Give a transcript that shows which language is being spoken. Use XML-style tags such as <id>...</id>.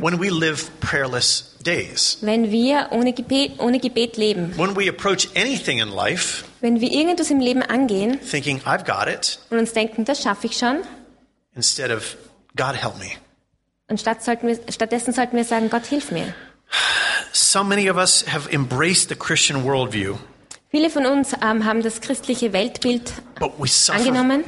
<en>When we live prayerless days.</en> <de>Wenn wir ohne Gebet leben.</de> <en>When we approach anything in life.</en> <de>Wenn wir irgendetwas im Leben angehen.</de> <en>Thinking I've got it.</en> <de>Und uns denken, das schaffe ich schon.</de> <en>Instead of God help me.</en> <de>Und stattdessen sollten wir sagen, Gott hilf mir.</de> <en>So many of us have embraced the Christian worldview.</en> <de>Viele von uns haben das christliche Weltbild angenommen.</de>